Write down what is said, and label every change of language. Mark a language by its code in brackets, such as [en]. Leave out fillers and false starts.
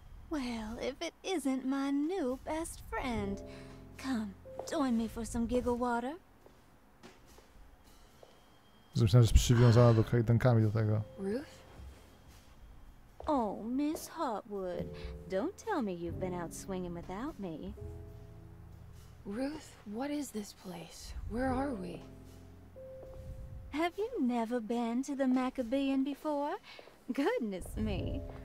[en] Well, if it isn't my new best friend. Come, join me for some giggle water. [pl] Zresztą jest przywiązana do kajdankami do tego. [en] Ruth? Oh, Miss Hartwood. Don't tell me you've been out swinging without me. Ruth, what is this place? Where are we? Have you never been to the Maccabean before? Goodness me.